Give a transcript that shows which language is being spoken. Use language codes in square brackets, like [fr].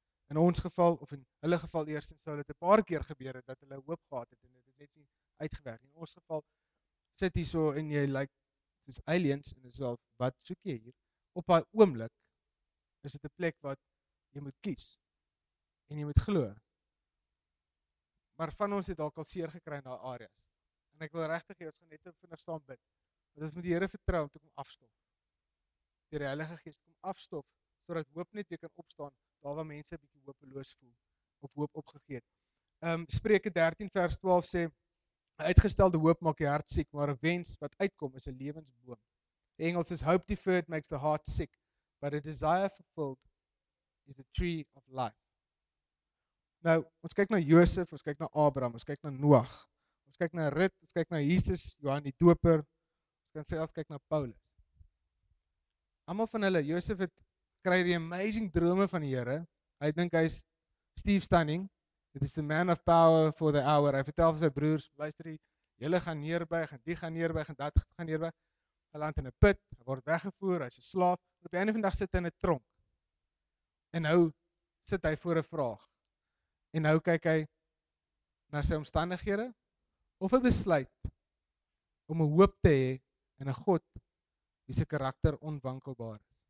[af] In ons geval, of in hulle geval eers, sou dit 'n paar keer gebeur het, dat hulle hoop gehad het, en dit het net nie uitgewerk. In ons geval, sit hier so, en jy lyk soos aliens, en is wel, wat soek jy hier? Op haar oomblik, is dit 'n plek wat jy moet kies, en jy moet glo. Maar van ons het al seer gekry in daai areas. En ek wil regtig hê, ons gaan net vinnig staan bid, want ons moet die Here vertrou om te kom afstof. Deur die Heilige Gees kom afstof, sodat hoop net weer kan opstaan, daar waar mense 'n bietjie hopeloos voel of hoop opgegee het. Spreuke 13 vers 12 sê: uitgestelde hoop maak die hart siek, maar 'n wens wat uitkom is 'n lewensboom. Die Engels is [en] hope deferred makes the heart sick, but a desire fulfilled is the tree of life. [af] Nou, ons kyk na Josef, ons kyk na Abraham, ons kyk na Noag, ons kyk na Rut, ons kyk na Jesus, Johannes die Doper, ons kan selfs kyk na Paulus. Almal van hulle, Josef het kry die amazing drome van die Here. Hy dink hy's Steve Stunning. [en] It is the man of power for the hour. [af] Hy vertel vir sy broers, luister hier, julle gaan neerbuig en die gaan neerbuig en dat gaan neerbuig. Hy land in 'n put, hy word weggevoer, hy's 'n slaaf. Op die einde van die dag sit hy in 'n tronk. En nou sit hy voor 'n vraag. En nou kyk hy na sy omstandighede of hy besluit om 'n hoop te hê in 'n God wie se karakter onwankelbaar is.